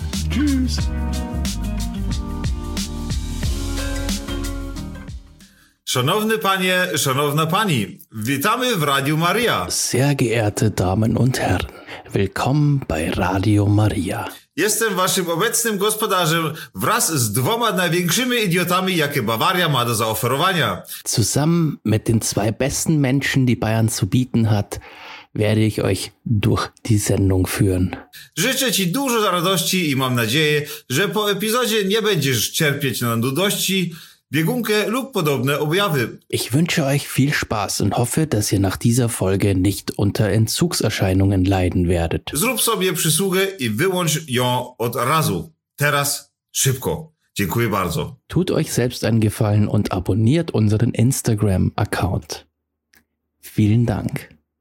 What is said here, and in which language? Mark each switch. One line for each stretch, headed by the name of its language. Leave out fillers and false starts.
German: Tschüss.
Polish: Szanowny Panie, Szanowna Pani, witamy w Radio Maria.
German: Sehr geehrte Damen und Herren, willkommen bei Radio Maria.
Polish: Jestem waszym obecnym gospodarzem wraz z dwoma największymi idiotami, jakie Bawaria ma do zaoferowania.
German: Zusammen mit den zwei besten Menschen, die Bayern zu bieten hat, werde ich euch durch die Sendung führen.
Polish: Życzę ci dużo radości i mam nadzieję, że po epizodzie nie będziesz cierpieć na nudości, Biegunke lub podobne objawy.
German: Ich wünsche euch viel Spaß und hoffe, dass ihr nach dieser Folge nicht unter Entzugserscheinungen leiden werdet.
Polish: Zrób sobie przysługę i wyłącz ją od razu. Teraz szybko. Dziękuję bardzo.
German: Tut euch selbst einen Gefallen und abonniert unseren Instagram-Account. Vielen Dank.